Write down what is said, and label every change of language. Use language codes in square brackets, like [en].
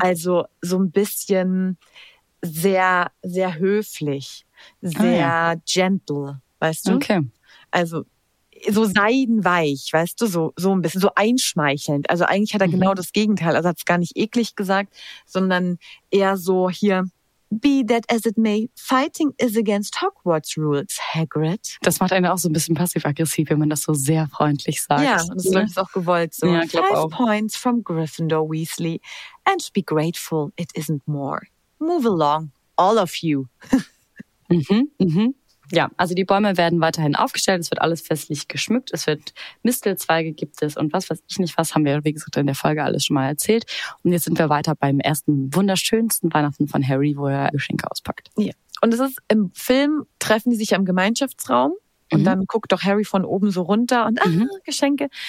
[de] Also so ein bisschen sehr, sehr höflich, sehr gentle, weißt du? Okay. Also so seidenweich, weißt du? So ein bisschen, so einschmeichelnd. Also eigentlich hat er genau das Gegenteil. Also hat es gar nicht eklig gesagt, sondern eher so hier... [en] Be that as it may, fighting is against Hogwarts rules, Hagrid. [de] Das macht einen auch so ein bisschen passiv-aggressiv, wenn man das so sehr freundlich sagt. Ja, das ist wirklich auch gewollt so. Ja, ich glaub 5 auch. [en] Points from Gryffindor, Weasley. And be grateful it isn't more. Move along, all of you. Mhm, mhm. [de] Ja, also die Bäume werden weiterhin aufgestellt, es wird alles festlich geschmückt, es wird Mistelzweige gibt es und was weiß ich nicht was, haben wir wie gesagt in der Folge alles schon mal erzählt. Und jetzt sind wir weiter beim ersten wunderschönsten Weihnachten von Harry, wo er Geschenke auspackt. Ja. Und es ist im Film, treffen die sich ja im Gemeinschaftsraum und dann guckt doch Harry von oben so runter und Geschenke.